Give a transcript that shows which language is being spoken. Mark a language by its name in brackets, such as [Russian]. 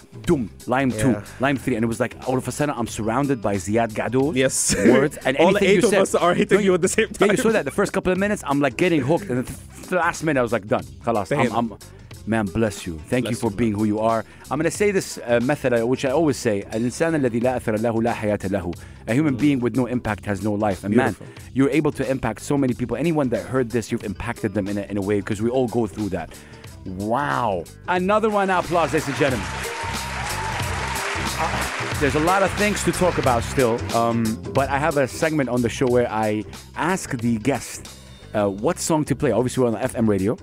[English] Doom, line two, line three. And it was like, all of a sudden, I'm surrounded by Ziad Gadou words. And all eight of us are hitting you at the same time. Yeah, you saw that. The first couple of minutes, I'm like getting hooked. And the last minute, I was like, done. Khalas. Man, bless you. Thank you for being who you are. I'm going to say this method, which I always say. [Arabic] الإنسان الذي لا أثر له لا حياة له. [English] A human being with no impact has no life. And beautiful. Man, you're able to impact so many people. Anyone that heard this, you've impacted them in a way, because we all go through that. Wow. Another one of applause, ladies and gentlemen. There's a lot of things to talk about still, but I have a segment on the show where I ask the guest what song to play. Obviously, we're on the FM radio.